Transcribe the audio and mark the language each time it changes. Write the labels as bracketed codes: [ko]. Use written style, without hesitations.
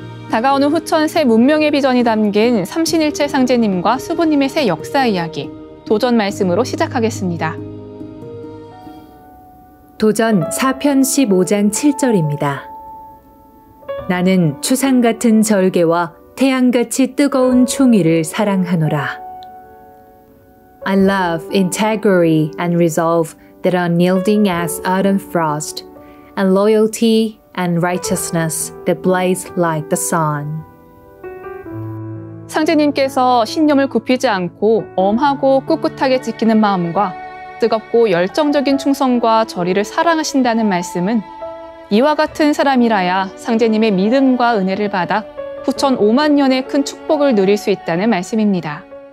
[ko] 다가오는 후천 새 문명의 비전이 담긴 삼신일체 상제님과 수부님의 새 역사 이야기, 도전 말씀으로 시작하겠습니다. 도전 4편 15장 7절입니다. 나는 추상 같은 절개와 태양같이 뜨거운 충의를 사랑하노라. [en] I love integrity and resolve that are unyielding as autumn frost, and loyalty and righteousness that blaze like the sun. [ko] 상제님께서 신념을 굽히지 않고 엄하고 꿋꿋하게 지키는 마음과 뜨겁고 열정적인 충성과 절의를 사랑하신다는 말씀은 이와 같은 사람이라야 상제님의 믿음과 은혜를 받아 후천 5만 년의 큰 축복을 누릴 수 있다는 말씀입니다.